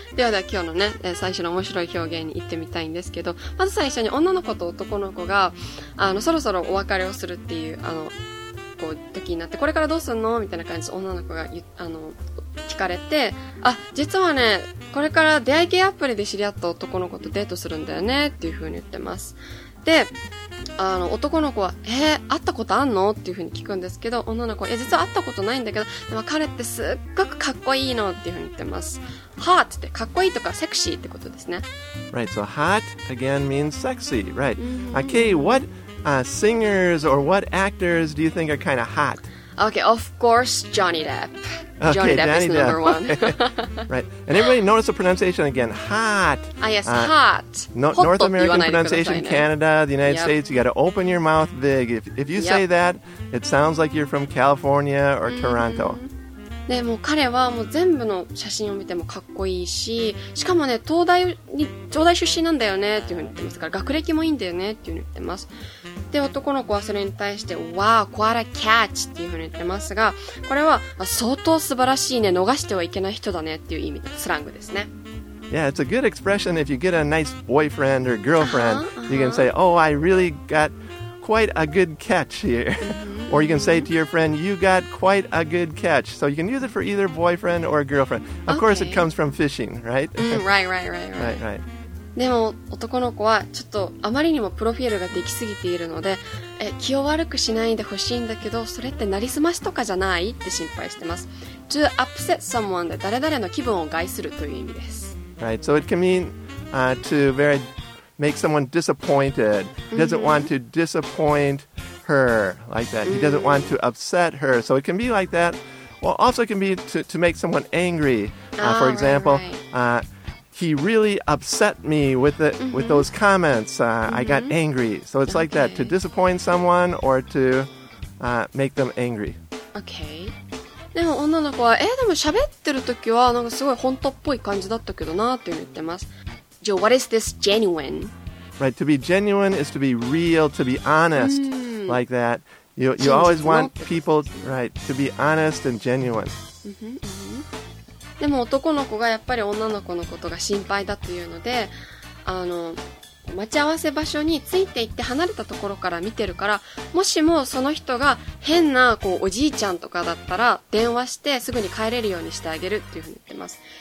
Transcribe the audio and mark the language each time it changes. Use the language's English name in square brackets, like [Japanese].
[Japanese] ではでは今日のね、最初の面白い表現に行ってみたいんですけど、まず最初に女の子と男の子が、あの、そろそろお別れをするっていう、あの、こう、時になって、これからどうすんのみたいな感じで女の子が、あの、聞かれて、あ、実はね、これから出会い系アプリで知り合った男の子とデートするんだよねっていう風に言ってます。で、あの、男の子は、会ったことあんのっていう風に聞くんですけど、女の子は、実は会ったことないんだけど、でも彼ってすっごくかっこいいのっていう風に言ってます。 Hot ってかっこいいとかセクシーってことですね。 [English] Right, so hot again means sexy, right. Okay, what、singers or what actors do you think are kind of hot? Okay, of course, Johnny Depp. Johnny Depp is number one. Right. And everybody notice the pronunciation again. Hot. Ah, yes, hot. North American pronunciation, Canada, the United States, you got to open your mouth big. If you say that, it sounds like you're from California or Toronto. [Japanese] でも彼はもう全部の写真を見てもかっこいいし、しかもね、東大出身なんだよねっていうふうに言ってますから、学歴もいいんだよねっていうふうに言ってます。で、男の子はそれに対して、わー、 [English] quite a catch [Japanese] っていうふうに言ってますが、これは相当素晴らしいね、逃してはいけない人だねっていう意味で、スラングですね。 [English] Yeah, it's a good expression if you get a nice boyfriend or girlfriend. You can say, oh, I really got quite a good catch here. Or you can say to your friend, you got quite a good catch. So you can use it for either boyfriend or girlfriend. Of course, it comes from fishing, right? Right. [Japanese] でも男の子はちょっとあまりにもプロフィールができすぎているので、気を悪くしないでほしいんだけど、それってなりすましとかじゃないって心配してます。 [English] To upset someone [Japanese] で誰々の気分を害するという意味です。 [English] Right, so it can mean, to very make someone disappointed. He doesn't want to disappoint her like that. He doesn't want to upset her. So it can be like that. Well, also it can be to make someone angry. For example, he really upset me with those comments. I got angry. So it's like that, to disappoint someone or to make them angry. Okay. [Japanese] でも女の子は、でも喋ってる時はなんかすごい本当っぽい感じだったけどなっていうの言ってます。 [English] じゃあ、what is this genuine? Right, to be genuine is to be real, to be honest, like that. You always want people, right, to be honest and genuine. [Japanese] でも男の子がやっぱり女の子のことが心配だというので、あの、待ち合わせ場所について行って離れたところから見てるから、もしもその人が変なこうおじいちゃんとかだったら電話してすぐに帰れるようにしてあげるっていうふうに言ってます。